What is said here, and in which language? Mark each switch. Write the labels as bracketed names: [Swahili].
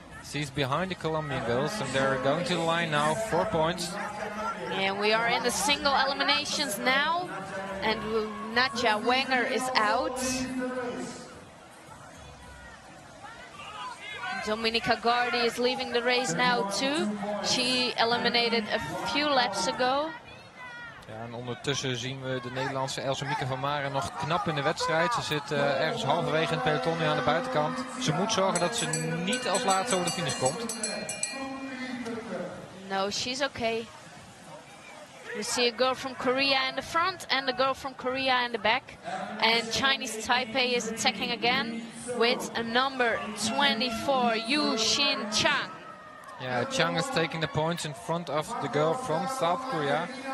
[English] She's behind the Colombian girls, and they're going to the line now, 4 points. And we are in the single eliminations now, and Nadja Wenger is out. Dominika Gardi is leaving the race now too. She eliminated a few laps ago. [Dutch] Ja, en ondertussen zien we de Nederlandse Else Mieke van Maren nog knap in de wedstrijd. Ze zit ergens halverwege in het peloton nu aan de buitenkant. Ze moet zorgen dat ze niet als laatste over de finish komt. [English] No, she's okay. We see a girl from Korea in the front and a girl from Korea in the back. And Chinese Taipei is attacking again with a number 24, Yu Xin Chang. Yeah, Chang is taking the points in front of the girl from South Korea.